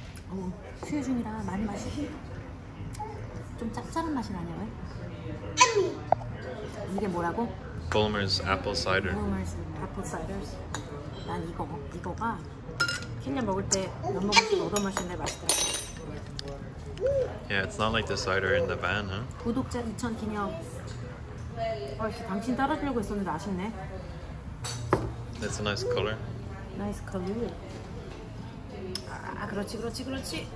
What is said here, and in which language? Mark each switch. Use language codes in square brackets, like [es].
[ko] 어, 수유 중이라 많이 마시지. 좀 짭짤한 맛이 나냐 왜? 이게 뭐라고? [en] Bulmers apple cider. Bulmers apple cider. [ko] 난 이거 이거가 캔냐 먹을 때 넌 먹을 때 얻어 마시는데 맛있다. [en] Yeah, it's not like the cider in the van, huh? [ko] 구독자 2000 기념. 어이씨, 당신 따라주려고 했었는데 아쉽네. [en] That's a nice color. Nice color. [ko] 아, 그렇지, 그렇지, 그렇지.